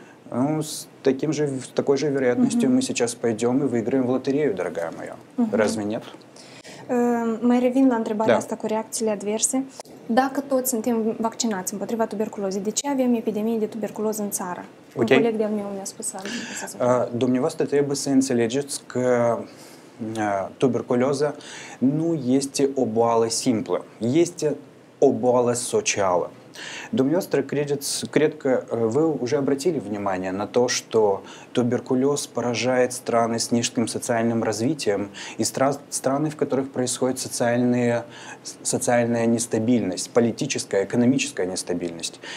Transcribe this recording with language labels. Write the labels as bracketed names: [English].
[Russian] Ну, с такой же вероятностью мы сейчас пойдем и выиграем в лотерею, дорогая моя. Разве нет? [Romanian] Mai revin la întrebarea asta cu reacțiile adverse. Dacă toți suntem vaccinați împotriva tuberculozei, de ce avem epidemie de tuberculoză în țară? Un coleg de-al meu mi-a spus asta. Dumneavoastră trebuie să înțelegeți că tuberculoza nu este o boală simplă, este o boală socială. Dumneavoastră, cred că vă [Russian] уже обратили внимание на то, что туберкулез поражает страны с низким социальным развитием и страны, в которых происходит социальная нестабильность, политическая, экономическая нестабильность.